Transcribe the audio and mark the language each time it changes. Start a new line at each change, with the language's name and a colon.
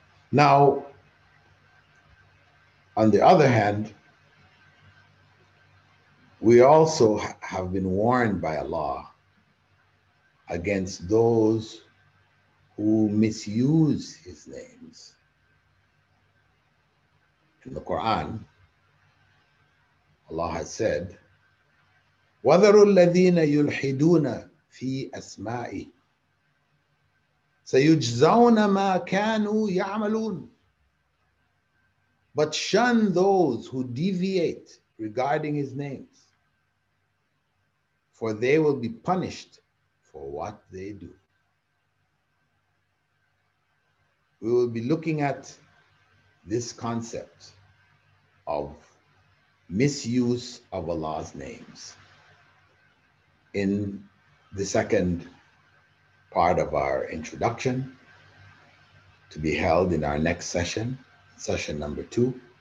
English: Now, on the other hand, we also have been warned by Allah against those who misuse His names. In the Quran, Allah has said,
Arabic: وَذَرُوا الَّذِينَ يُلْحِدُونَ فِي أَسْمَائِهِ سَيُجْزَوْنَ مَا كَانُوا يَعْمَلُونَ.
English: But shun those who deviate regarding His names, for they will be punished for what they do. We will be looking at this concept of misuse of Allah's names in the second part of our introduction to be held in our next session, session number 2.